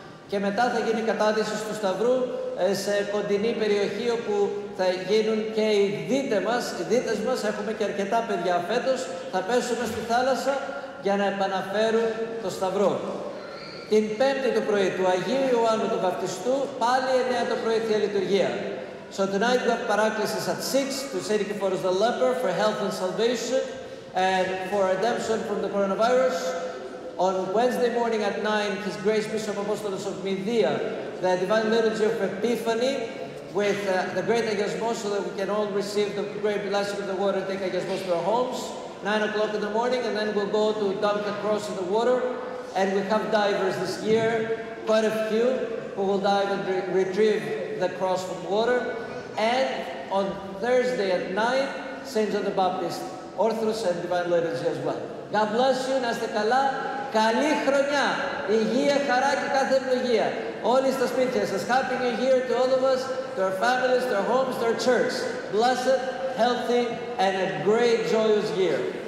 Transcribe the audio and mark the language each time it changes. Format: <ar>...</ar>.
<el>Και μετά θα γίνει η κατάδυση του Σταυρού σε κοντινή περιοχή όπου θα γίνουν και οι δίτες μας. Οι δίτες μας, έχουμε και αρκετά παιδιά φέτος, θα πέσουμε στη θάλασσα για να επαναφέρουν το Σταυρό. Την Πέμπτη το πρωί του Αγίου Ιωάννου του Βαπτιστού, πάλι 9 το πρωί Θεία Λειτουργία.</el> <en>So tonight we have Paraclesis at 6 to Saint Nikephoros the leper for health and salvation and for redemption from the coronavirus. On Wednesday morning at 9, His Grace Bishop Apostolos of Media, the Divine Liturgy of Epiphany with the great agiasmos so that we can all receive the great blessing of the water and take agiasmos to our homes. 9 o'clock in the morning, and then we'll go to dunk the cross in the water. And we have divers this year, quite a few, who will dive and retrieve the cross from water. And on Thursday at 9, Saint John the Baptist, Orthodox and Divine Liturgy as well. God bless you,</en> <el>να είστε καλά, καλή χρονιά, υγεία, χαρά και κάθε ευλογία. Όλοι στα σπίτια σας,</el> <en>happy new year to all of us, to our families, to our homes, to our church. Blessed, healthy, and a great, joyous year.</en>